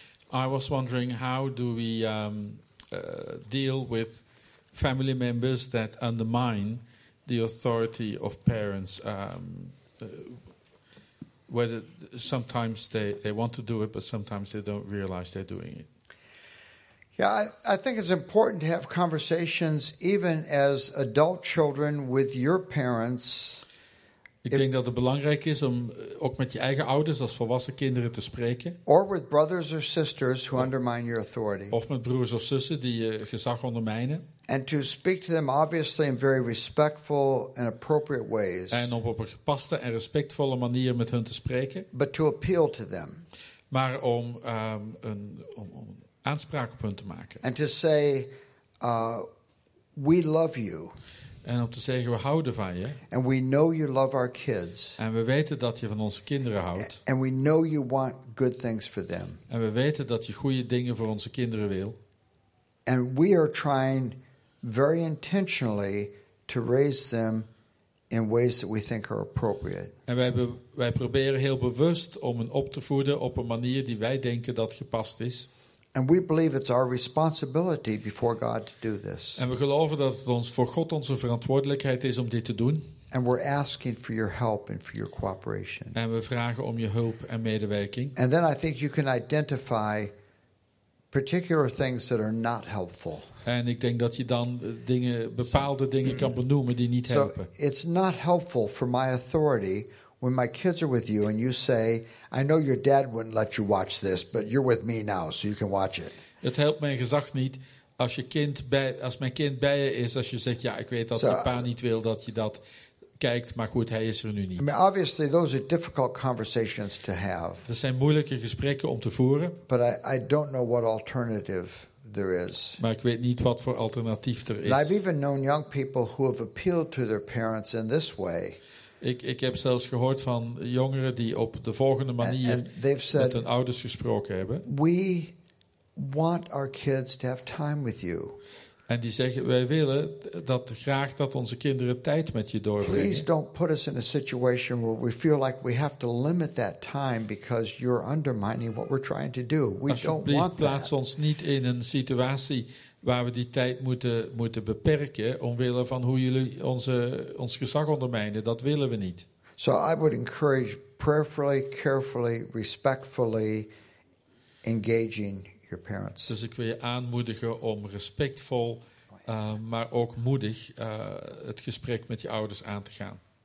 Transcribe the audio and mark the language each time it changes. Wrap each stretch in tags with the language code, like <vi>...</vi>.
<en>I was wondering, how do we deal with family members that undermine the authority of parents? Whether sometimes they want to do it, but sometimes they don't realize they're doing it. Yeah, I think it's important to have conversations, even as adult children, with your parents.</en> <nl>Ik denk dat het belangrijk is om ook met je eigen ouders als volwassen kinderen te spreken.</nl> <en>Or with brothers or sisters who undermine your authority.</en> <nl>Of met broers of zussen die je gezag ondermijnen.</nl> <en>And to speak to them obviously in very respectful and appropriate ways.</en> <nl>En op een gepaste en respectvolle manier met hun te spreken.</nl> <en>But to appeal to them.</en> <nl>Maar om een aanspraak op hun te maken.</nl> <en>And to say, we love you.</en> <nl>En om te zeggen, we houden van je.</nl> <en>And we know you love our kids.</en> <nl>En we weten dat je van onze kinderen houdt.</nl> <en>And we know you want good things for them.</en> <nl>En we weten dat je goede dingen voor onze kinderen wil.</nl> <en>And we are trying very intentionally to raise them in ways that we think are appropriate.</en> <nl>En wij proberen heel bewust om hen op te voeden op een manier die wij denken dat gepast is.</nl> <en>And we believe it's our responsibility before God to do this.</en> <nl>En we geloven dat het ons voor God onze verantwoordelijkheid is om dit te doen.</nl> <en>And we're asking for your help and for your cooperation.</en> <nl>En we vragen om je hulp en medewerking.</nl> <en>And then I think you can identify particular things that are not helpful.</en> <nl>En ik denk dat je dan bepaalde dingen kan benoemen die niet helpen.</nl> <en>So it's not helpful for my authority when my kids are with you and you say, I know your dad wouldn't let you watch this, but you're with me now, so you can watch it.</en> <nl>Het helpt mijn gezag niet als mijn kind bij je is, als je zegt, ja, ik weet dat je pa niet wil dat je dat kijkt, maar goed, hij is er nu niet.</nl> <en>I mean, obviously, those are difficult conversations to have.</en> <nl>Dat zijn moeilijke gesprekken om te voeren.</nl> <en>But I don't know what alternative there is.</en> <nl>Maar ik weet niet wat voor alternatief er is.</nl> <en>And I've even known young people who have appealed to their parents in this way.</en> <nl>Ik heb zelfs gehoord van jongeren die op de volgende manier met hun ouders gesproken hebben.</nl> <en>We want our kids to have time with you.</en> <nl>En die zeggen, wij willen graag dat onze kinderen tijd met je doorbrengen.</nl> <en>Please don't put us in a situation where we feel like we have to limit that time because you're undermining what we're trying to do. We don't want that.</en> <nl>Alsjeblieft, plaats ons niet in een situatie waar we die tijd moeten beperken omwille van hoe jullie ons gezag ondermijnen. Dat willen we niet.</nl> <en>So I would encourage prayerfully, carefully, respectfully engaging your parents.</en> <nl>Dus ik wil je aanmoedigen om respectvol, maar ook moedig het gesprek met je ouders aan te gaan.</nl>